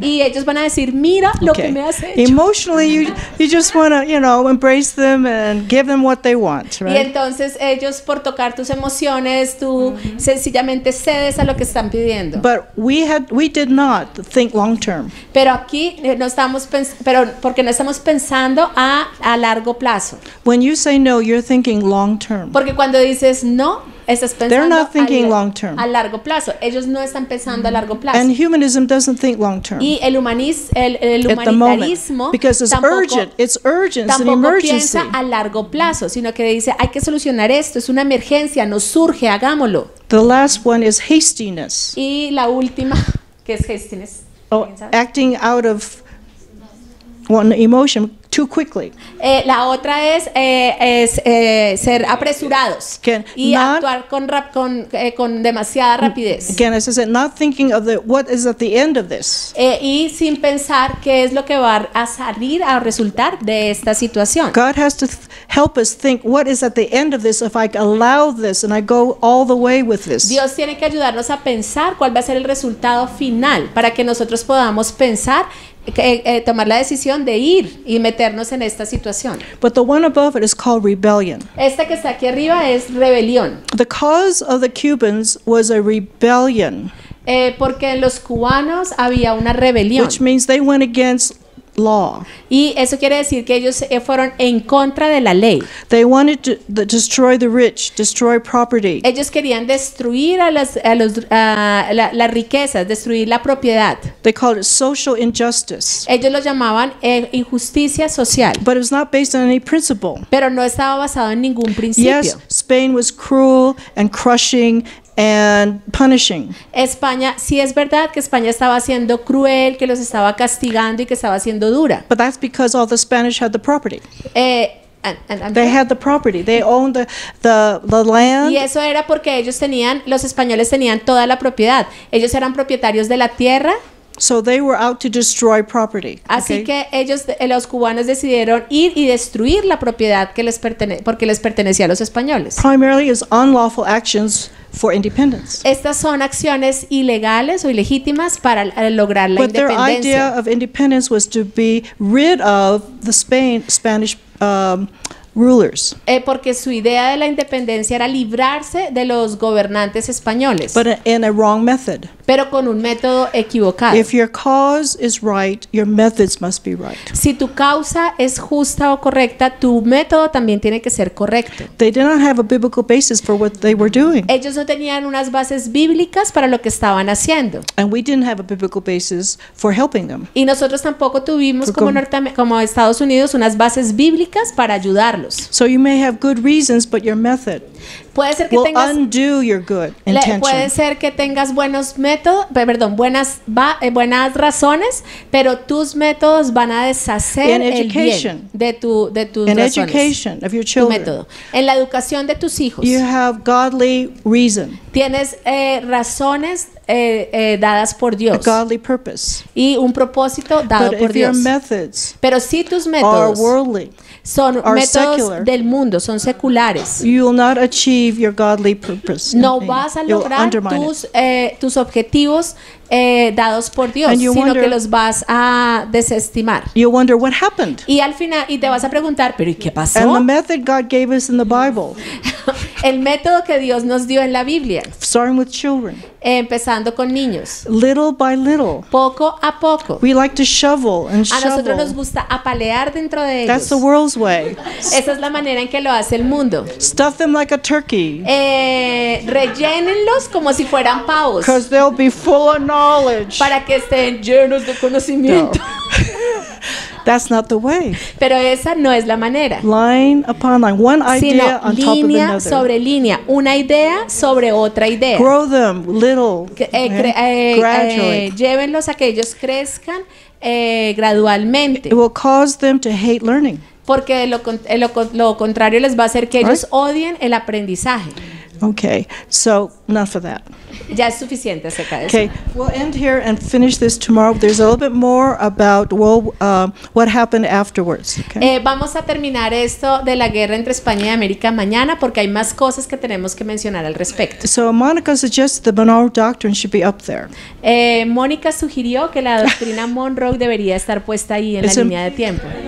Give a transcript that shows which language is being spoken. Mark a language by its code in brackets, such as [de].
[es] Y ellos van a decir, mira lo que me has hecho. [en] Emotionally, you just want to, you know, embrace them and give them what they want, right? [es] Y entonces ellos por tocar tus emociones, tú sencillamente cedes a lo que están pidiendo. [en] But we did not think long term. [es] Pero aquí no estamos porque no estamos pensando a largo plazo. [en] When you say no, you're thinking long term. [es] Porque cuando dices no, estás pensando [en] they're not thinking long term. [es] A largo plazo. Ellos no están pensando a largo plazo. [en] And humanism doesn't think long term. [es] Y el humanitarismo [en] at the moment, because it's urgent. It's urgent. It's an emergency. [es] Tampoco piensa a largo plazo, sino que dice hay que solucionar esto. Es una emergencia. Nos urge. Hagámoslo. [en] The last one is hastiness. [es] Y la última que es hastiness. [en] Oh, acting out of one emotion. Too quickly. [es] La otra es ser apresurados y actuar con demasiada rapidez. [en] Again, as I said, not thinking of what is at the end of this. [es] Y sin pensar qué es lo que va a salir a resultar de esta situación. [en] God has to help us think what is at the end of this if I allow this and I go all the way with this. [es] Dios tiene que ayudarnos a pensar cuál va a ser el resultado final para que nosotros podamos pensar. Tomar la decisión de ir y meternos en esta situación. [en] But the one above it is called rebellion. [es] Esta que está aquí arriba es rebelión. [en] The cause of the Cubans was a rebellion. [es] Porque en los cubanos había una rebelión. [en] Which means they went against law. [es] Y eso quiere decir que ellos fueron en contra de la ley. [en] They wanted to destroy the rich, destroy property. [es] Ellos querían destruir las riquezas, destruir la propiedad. [en] They called it social injustice. [es] Ellos lo llamaban injusticia social. [en] But it was not based on any principle. [es] Pero no estaba basado en ningún principio. [en] Yes, Spain was cruel and crushing and punishing. [es] España, sí es verdad que España estaba siendo cruel, que los estaba castigando y que estaba siendo dura. [en] But that's because all the Spanish had the property. They had the property. They owned the land. [es] Y eso era porque ellos tenían, los españoles tenían toda la propiedad. Ellos eran propietarios de la tierra. [en] So they were out to destroy property. [es] Así que ellos, los cubanos, decidieron ir y destruir la propiedad que porque les pertenecía a los españoles. [en] Primarily is unlawful actions for independence. [es] Estas son acciones ilegales o ilegítimas para lograr la [en] But [es] independencia. [en] Their idea of independence was to be rid of the Spanish rulers. [es] Porque su idea de la independencia era librarse de los gobernantes españoles. [en] But in a wrong method. [es] Pero con un método equivocado. [en] If your cause is right, your methods must be right. [es] Si tu causa es justa o correcta, tu método también tiene que ser correcto. [en] They did not have a biblical basis for what they were doing. [es] Ellos no tenían unas bases bíblicas para lo que estaban haciendo. [en] And we didn't have a biblical basis for helping them. [es] Y nosotros tampoco tuvimos como Estados Unidos unas bases bíblicas para ayudarlos. [en] So you may have good reasons, but your method [es] puede ser que [en] will [es] tengas, [en] undo your good intention. [es] Puede ser que tengas buenos métodos, perdón, buenas razones, pero tus métodos van a deshacer [en] in education, [es] el bien de tus [en] in [es] razones. [en] Education of your children, [es] tu método. En la educación de tus hijos. [en] You have godly reason. [es] Tienes razones dadas por Dios. [en] A godly purpose. [es] Y un propósito dado [en] But [es] por [en] if [es] Dios. [en] Your methods [es] pero si tus métodos [en] are worldly, [es] son métodos secular, del mundo, son seculares. [en] You will not achieve your godly purpose. [es] No vas a lograr tus objetivos dados por Dios, sino que los vas a desestimar. [en] You'll wonder what happened. [es] Y al final, y te vas a preguntar, ¿pero y qué pasó? [en] And the method God gave us in the Bible. [es] El método que Dios nos dio en la Biblia. [en] Starting with children. [es] Empezando con niños. [en] Little by little. [es] Poco a poco. [en] We like to shovel and shovel. [es] A nosotros nos gusta apalear dentro de ellos. [en] That's the world's way. [es] Esa es la manera en que lo hace el mundo. [en] Stuff them like a turkey. [es] Rellénenlos como si fueran pavos. [en] Because they'll be full of knowledge. [es] Para que estén llenos de conocimiento. [en] That's not the way. [es] Pero esa no es la manera. [en] Line upon line, one idea [es] sino [en] on top of another. [es] Línea sobre línea, una idea sobre otra idea. [en] Grow them little, gradually. [es] Llévenlos a que ellos crezcan gradualmente. [en] It will cause them to hate learning. [es] Porque lo contrario les va a hacer que ellos odien el aprendizaje. [en] Okay, so enough of that. [es] Ya es suficiente acerca de eso. [en] Okay, we'll end here and finish this tomorrow. There's a little bit more about what happened afterwards. Okay? [es] Vamos a terminar esto de la guerra entre España y América mañana porque hay más cosas que tenemos que mencionar al respecto. [en] So Monica suggests the Monroe Doctrine should be up there. [es] Mónica sugirió que la doctrina Monroe debería estar puesta ahí en la línea de tiempo.